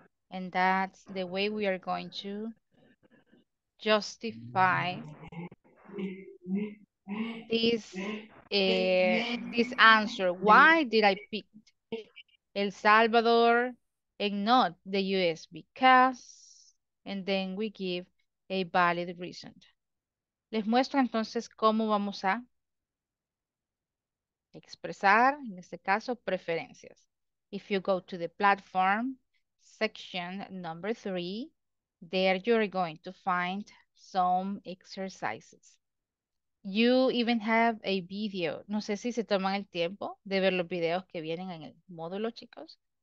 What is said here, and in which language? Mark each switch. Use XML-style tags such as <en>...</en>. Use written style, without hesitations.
<en>And that's the way we are going to justify this answer. Why did I pick El Salvador and not the US? Because, and then we give a valid reason.</en> <es>Les muestro entonces cómo vamos a expresar, en este caso, preferencias.</es> <en>If you go to the platform, section number 3, there you're going to find some exercises. You even have a video.</en> <es>No sé si se toman el tiempo de ver los videos que vienen en el módulo, chicos.</es>